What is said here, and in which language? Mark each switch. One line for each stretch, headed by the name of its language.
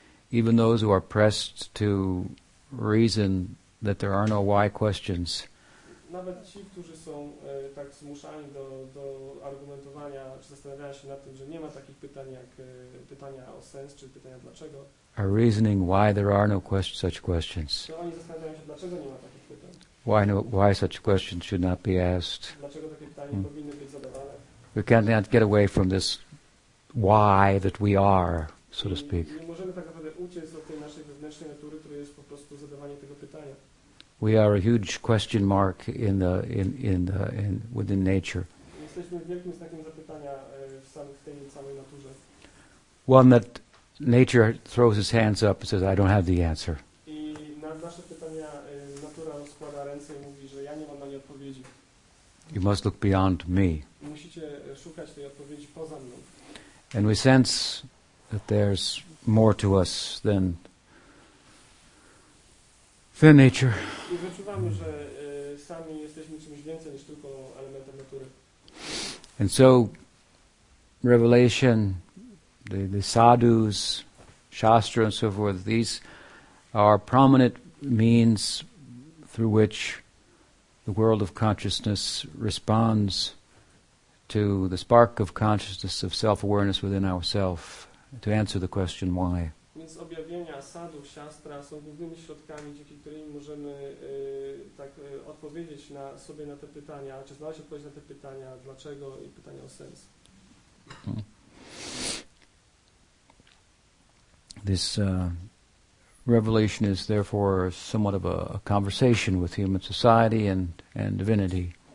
English: Even those who are pressed to reason that there are no why questions,
Polish: nawet ci, którzy są tak zmuszani do argumentowania czy zastanawiania się nad tym, że nie ma takich pytań jak pytania o sens czy pytania dlaczego,
English: are reasoning why there are no such questions.
Polish: To oni zastanawiają się, dlaczego nie ma takich pytań.
English: Why such questions should not be asked.
Polish: Dlaczego takie pytania powinny być zadawane.
English: We cannot get away from this why that we are, so to speak.
Polish: Nie możemy tak naprawdę uciec od tej naszej wewnętrznej natury, która jest po prostu zadawanie tego pytania.
English: We are a huge question mark within nature.
Polish: Jesteśmy wielkim znakiem zapytania w tej samej naturze.
English: One that nature throws its hands up and says, I don't have the answer.
Polish: I na nasze pytania natura rozkłada ręce i mówi, że ja nie mam na nie odpowiedzi.
English: You must look beyond me.
Polish: Musicie szukać tej odpowiedzi poza mną.
English: And we sense that there's more to us than than nature.
Polish: I wyczuwamy, że sami jesteśmy czymś więcej niż tylko elementem natury.
English: And so revelation, the sadhus, shastra and so forth, these are prominent means through which the world of consciousness responds to the spark of consciousness of self-awareness within ourself, to answer the question why.
Polish: Więc objawienia sadhu, siastra są głównymi środkami, dzięki którym możemy tak odpowiedzieć na sobie na te pytania, czy znaleźć odpowiedź na te pytania, dlaczego i pytania o sens.
English: This revelation is therefore somewhat of a conversation with human society and divinity.